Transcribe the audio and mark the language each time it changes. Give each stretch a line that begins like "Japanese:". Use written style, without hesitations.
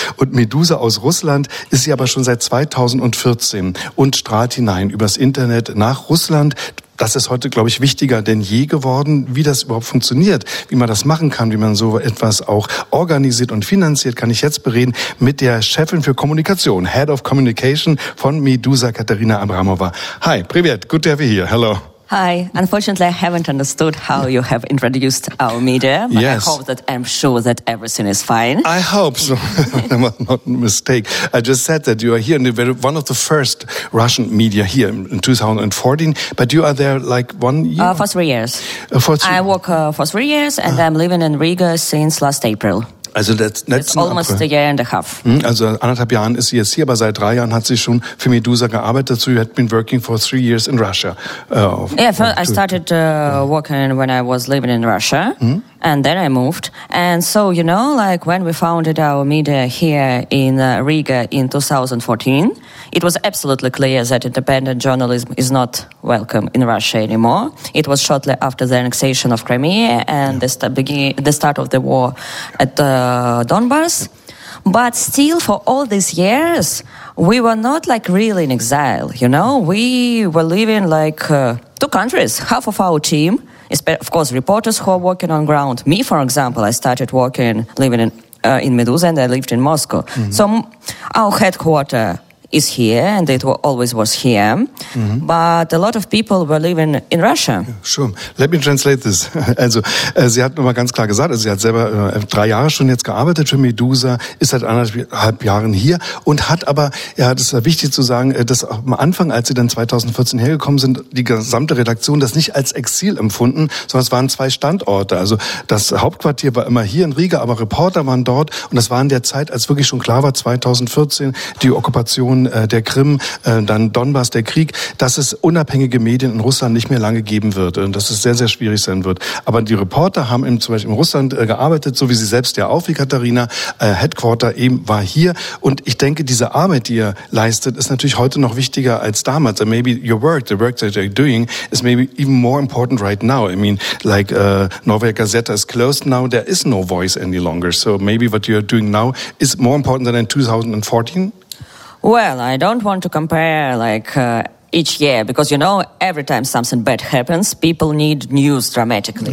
German: Und Medusa aus Russland ist sie aber schon seit 2014 und strahlt hinein übers Internet nach Russland. Das ist heute, glaube ich, wichtiger denn je geworden, wie das überhaupt funktioniert, wie man das machen kann, wie man so etwas auch organisiert und finanziert, kann ich jetzt bereden mit der Chefin für Kommunikation, Head of Communication von Medusa, Katerina Abramova.
English: Hi, privet, good to have you here, hello. Hi, unfortunately I haven't understood how you have introduced our media, but yes. I'm sure that everything is fine. I hope so, not a mistake. I just said that you are here in the very, one of the first Russian media here in 2014, but you are there like 1 year? For 3 years. I work for 3 years and I'm living in Riga since last April. Also that's almost April. A year and a half.
German: Also anderthalb Jahren ist sie jetzt hier, aber seit 3 Jahren hat sie schon für Medusa gearbeitet.
English: So you had been working for 3 years in Russia. I started working when I was living in Russia. And then I moved. And so, you know, like when we founded our media here in Riga in 2014, it was absolutely clear that independent journalism is not welcome in Russia anymore. It was shortly after the annexation of Crimea and the start of the war at Donbass. But still, for all these years, we were not like really in exile, you know? We were living like two countries, half of our team. Of course, reporters who are working on ground. Me, for example, I started working, living in Medusa, and I lived in Moscow. Mm-hmm. So our headquarter is here, and it always was here. Mm-hmm. But a lot of people were living in Russia. Sure. Let me translate this.
German: Also, sie hat nochmal ganz klar gesagt, also sie hat selber 3 Jahre schon jetzt gearbeitet für Medusa, ist seit anderthalb Jahren hier und hat aber, ja, das war wichtig zu sagen, dass am Anfang, als sie dann 2014 hergekommen sind, die gesamte Redaktion das nicht als Exil empfunden, sondern es waren zwei Standorte. Also, das Hauptquartier war immer hier in Riga, aber Reporter waren dort und das war in der Zeit, als wirklich schon klar war, 2014, die Okkupation der Krim, dann Donbass, der Krieg, dass es unabhängige Medien in Russland nicht mehr lange geben wird und dass es sehr, sehr schwierig sein wird. Aber die Reporter haben eben zum Beispiel in Russland gearbeitet, so wie sie selbst ja auch, wie Katharina, Headquarter eben war hier. Und ich denke, diese Arbeit, die ihr leistet, ist natürlich heute noch wichtiger als damals.
English: And maybe your work, the work that you're doing, is maybe even more important right now. I mean, like, Novaya Gazeta is closed now, there is no voice any longer. So maybe what you're doing now is more important than in 2014? Well, I don't want to compare like each year because, you know, every time something bad happens, people need news dramatically.